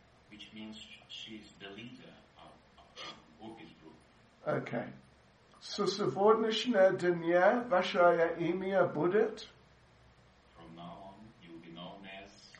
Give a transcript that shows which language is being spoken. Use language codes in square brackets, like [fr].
[en] Which means she is the leader of Gopi's group. Okay. So, [ru] сегодняшнего дня ваше имя будет? [en] From now on, you will be known as